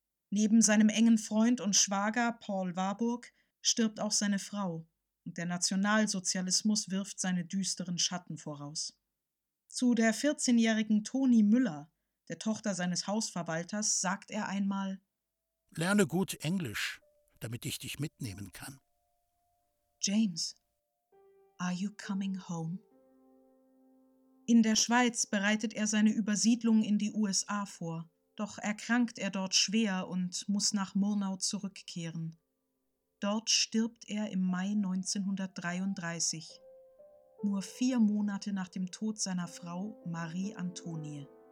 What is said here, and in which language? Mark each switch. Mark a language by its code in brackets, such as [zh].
[de] Neben seinem engen Freund und Schwager Paul Warburg stirbt auch seine Frau und der Nationalsozialismus wirft seine düsteren Schatten voraus. Zu der 14-jährigen Toni Müller, der Tochter seines Hausverwalters, sagt er einmal: Lerne gut Englisch, damit ich dich mitnehmen kann. [en] James, are you coming home? [de] In der Schweiz bereitet er seine Übersiedlung in die USA vor. Doch erkrankt er dort schwer und muss nach Murnau zurückkehren. Dort stirbt er im Mai 1933, nur 4 Monate nach dem Tod seiner Frau Marie Antonie.